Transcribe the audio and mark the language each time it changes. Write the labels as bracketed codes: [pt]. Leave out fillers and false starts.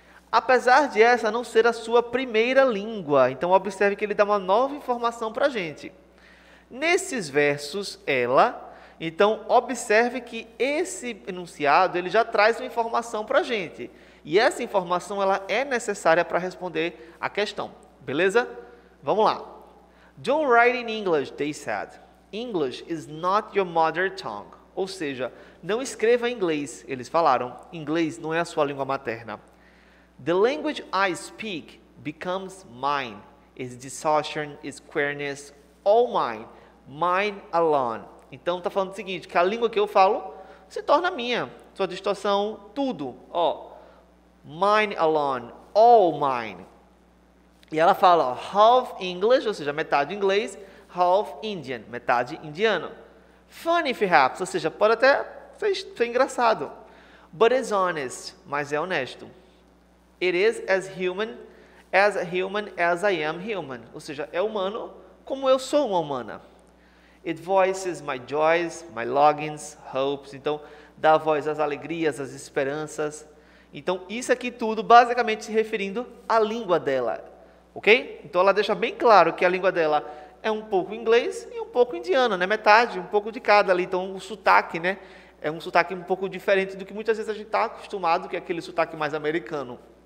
[pt] Apesar de essa não ser a sua primeira língua, então observe que ele dá uma nova informação para a gente. Nesses versos, ela... Então, observe que esse enunciado ele já traz uma informação para a gente. E essa informação ela é necessária para responder a questão. Beleza? Vamos lá. [en] Don't write in English, they said. English is not your mother tongue. [pt] Ou seja, não escreva em inglês, eles falaram. Inglês não é a sua língua materna. [en] The language I speak becomes mine. Its distortion, its queerness, all mine. Mine alone. [pt] Então, está falando o seguinte, que a língua que eu falo se torna minha. Sua distorção, tudo. Ó, [en] mine alone, all mine. [pt] E ela fala, ó, [en] half English, [pt] ou seja, metade inglês, [en] half Indian, [pt] metade indiano. [en] Funny, perhaps, [pt] ou seja, pode até ser engraçado. [en] But it's honest, [pt] mas é honesto. [en] It is as human as I am human. [pt] Ou seja, é humano como eu sou uma humana. [en] It voices my joys, my longings, hopes. [pt] Então, dá voz às alegrias, às esperanças. Então, isso aqui tudo basicamente se referindo à língua dela. Ok? Então, ela deixa bem claro que a língua dela é um pouco inglês e um pouco indiano, né? Metade, um pouco de cada ali. Então, o sotaque, né? É um sotaque um pouco diferente do que muitas vezes a gente está acostumado, que é aquele sotaque mais americano.